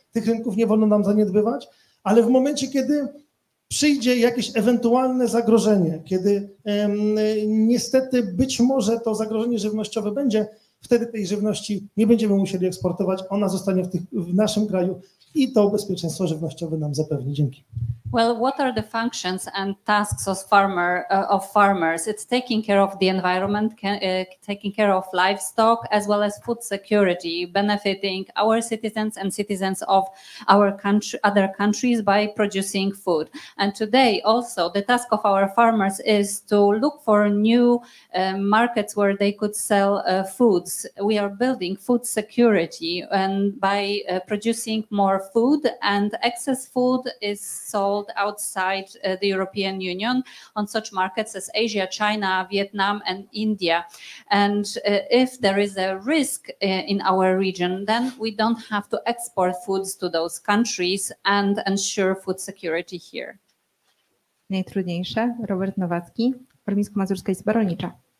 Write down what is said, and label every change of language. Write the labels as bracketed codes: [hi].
[pl] Tych rynków nie wolno nam zaniedbywać, ale w momencie, kiedy przyjdzie jakieś ewentualne zagrożenie, kiedy niestety być może to zagrożenie żywnościowe będzie, wtedy tej żywności nie będziemy musieli eksportować, ona zostanie w naszym kraju i to bezpieczeństwo żywnościowe nam zapewni. Dzięki. [en] Well, what are the functions and tasks of farmers? It's taking care of the environment, taking care of livestock, as well as food security, benefiting our citizens and citizens of our country, other countries by producing food. And today also the task of our farmers is to look for new markets where they could sell foods. We are building food security and by producing more food, and excess food is sold outside the European Union on such markets as Asia, China, Vietnam and India. And if there is a risk in our region, then we don't have to export foods to those countries and ensure food security here. [pl] Najtrudniejsze, Robert Nowacki, Warmińsko-Mazurska Izba Rolnicza.